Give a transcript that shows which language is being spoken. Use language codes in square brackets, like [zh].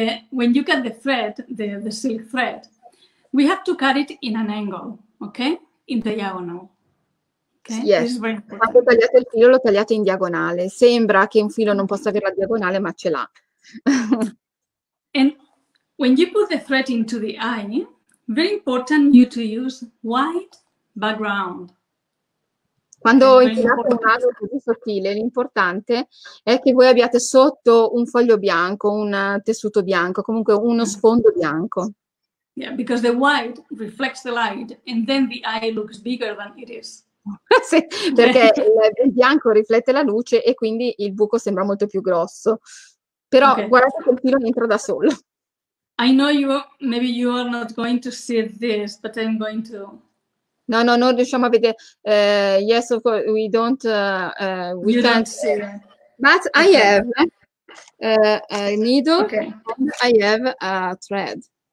[en] when you cut the thread, the silk thread, we have to cut it in an angle, okay? In diagonal. Okay? [it] Yes, quando tagliate il filo lo tagliate in diagonale. Sembra che un filo non possa avere la diagonale, ma ce l'ha. [en] And when you put the thread into the eye, very important you to use white background. [it] Quando infilate un ago così sottile, l'importante è che voi abbiate sotto un foglio bianco, un tessuto bianco, comunque uno sfondo bianco. [en] Yeah, because the white reflects the light and then the eye looks bigger than it is. [it] Sì, perché il bianco riflette la luce e quindi il buco sembra molto più grosso. Però okay, guardate che il filo entra da solo. [en] I know you, maybe you are not going to see this, but I'm going to. [it] No, no, no, riusciamo a vedere. [en] Yes, of course, we don't. We you can't don't see. But okay. I have a needle. Okay. I have a thread.